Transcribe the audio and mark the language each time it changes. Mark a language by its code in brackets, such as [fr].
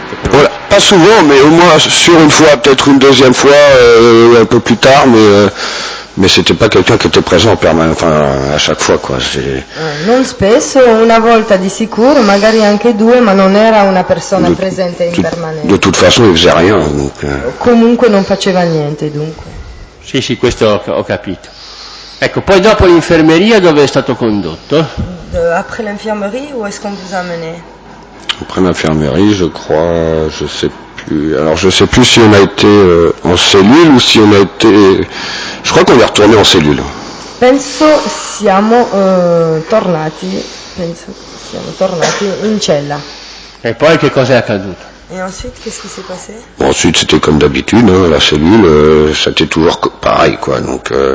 [fr] Voilà, pas souvent, mais au moins sur une fois, peut-être une deuxième fois, un peu plus tard, mais c'était pas quelqu'un qui était présent enfin, à chaque fois, quoi. [it] Non spesso, una volta di sicuro, magari anche due, ma non era una persona presente in permanenza. [fr] De toute façon, il faisait rien. [it] Comunque non faceva niente, dunque. Sì, sì, questo ho capito. Ecco, poi dopo l'infermeria dove è stato condotto? [fr] Après l'infirmerie, où est-ce qu'on vous a mené? Après l'infirmerie, je crois, je sais plus. Alors, je sais plus si on a été en cellule ou si on a été. Je crois qu'on est retourné en cellule. [it] Penso siamo tornati. Penso siamo tornati in cella. E poi che cosa è accaduto? [fr] Et ensuite, qu'est-ce qui s'est passé? Bon, ensuite, c'était comme d'habitude, hein, la cellule, c'était toujours pareil, quoi. Donc.